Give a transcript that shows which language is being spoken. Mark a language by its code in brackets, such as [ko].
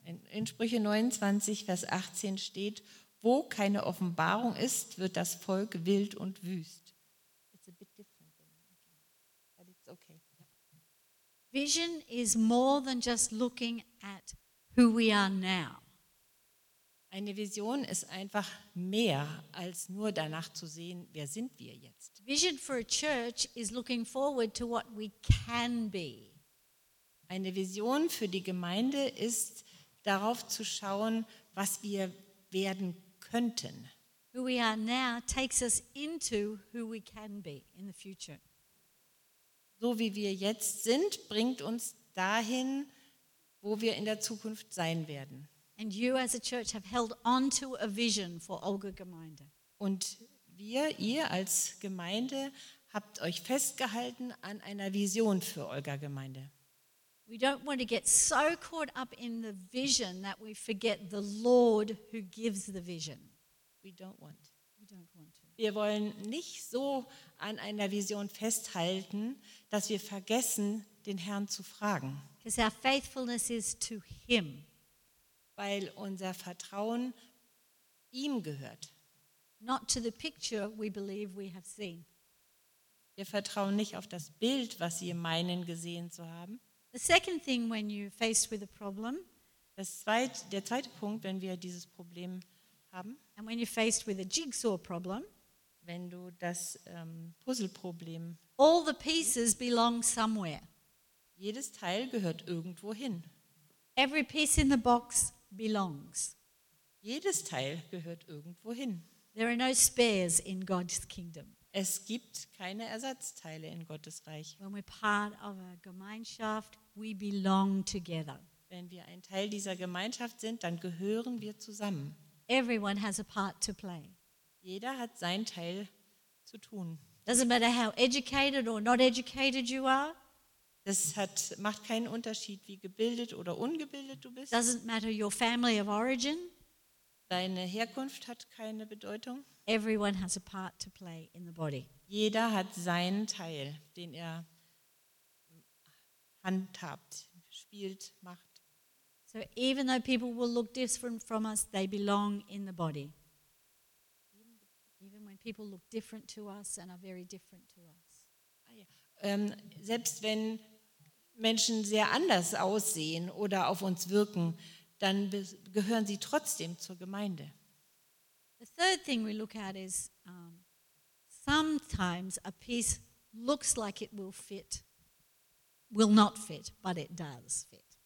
[de] In Sprüche 29, Vers 18 steht, wo keine Offenbarung ist, wird das Volk wild und wüst. [en] It's a bit different than that again, but it's okay. Vision is more than just looking at who we are now. [de] Eine Vision ist einfach mehr als nur danach zu sehen, wer sind wir jetzt. [en] Vision for a church is looking forward to what we can be. [de] Eine Vision für die Gemeinde ist darauf zu schauen, was wir werden könnten. [en] Who we are now takes us into who we can be in the future. [de] So wie wir jetzt sind, bringt uns dahin, wo wir in der Zukunft sein werden. [en] And you as a church have held on to a vision for Olga Gemeinde. [de] Und ihr als Gemeinde habt euch festgehalten an einer Vision für Olga Gemeinde. [en] We don't want to get so caught up in the vision that we forget the Lord who gives the vision. We don't want to. [de] Wir wollen nicht so an einer Vision festhalten, dass wir vergessen, den Herrn zu fragen. [en] Because our faithfulness is to him. [de] Weil unser Vertrauen ihm gehört. [en] Not to the picture we believe we have seen. [de] Wir vertrauen nicht auf das Bild, was wir meinen, gesehen zu haben. [en] The second thing when you're faced with a problem, [de] der zweite Punkt, wenn wir dieses Problem haben, [en] and when you're faced with a jigsaw problem, [de] wenn du das Puzzleproblem, [en] all the pieces belong somewhere. [de] Jedes Teil gehört irgendwo hin. [en] Every piece in the box belongs. [de] Jedes Teil gehört irgendwohin. [en] There are no spares in God's kingdom. [de] Es gibt keine Ersatzteile in Gottes Reich. [en] When we're part of a Gemeinschaft, we belong together. [de] Wenn wir ein Teil dieser Gemeinschaft sind, dann gehören wir zusammen. [en] Everyone has a part to play. [de] Jeder hat seinen Teil zu tun. [en] Doesn't matter how educated or not educated you are. [de] Das macht keinen Unterschied, wie gebildet oder ungebildet du bist. [en] Doesn't matter your family of origin. [de] Deine Herkunft hat keine Bedeutung. [en] Everyone has a part to play in the body. [de] Jeder hat seinen Teil, den er handhabt, spielt, macht. [en] So even though people will look different from us, they belong in the body. Even when people look different to us and are very different to us. [de] Selbst wenn Menschen sehr anders aussehen oder auf uns wirken, dann gehören sie trotzdem zur Gemeinde. [en] The third thing we look at is sometimes a piece looks like it will not fit, but it does fit.